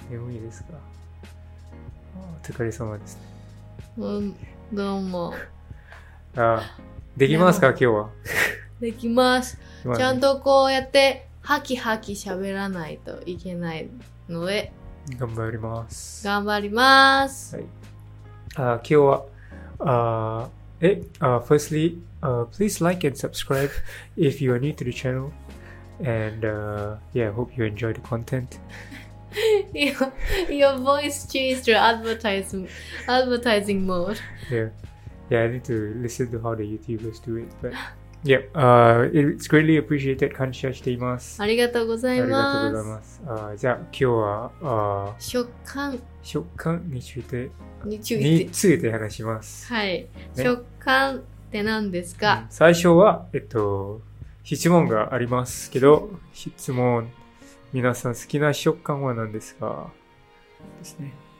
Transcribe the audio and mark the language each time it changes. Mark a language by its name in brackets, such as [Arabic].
[Japanese] 眠いですか。お疲れ様です。うん、どうも。ああ、できますか今日は。できます。ちゃんとこうやって、ハキハキ喋らないといけないので。頑張ります。頑張ります。はい。今日は、 [English] firstly, please like and subscribe if you are new to the channel. And, yeah, hope you enjoy the content. your voice changed to advertising mode. Yeah, I need to listen to how the YouTubers do it, but. Yep, it's greatly appreciated. [Japanese] 感謝しています。ありがとうございます。ありがとうございます。じゃあ、今日は、食感について、について話します。はい。ね、食感って何ですか、うん、最初は、質問がありますけど、質問、皆さん好きな食感は何ですかですね。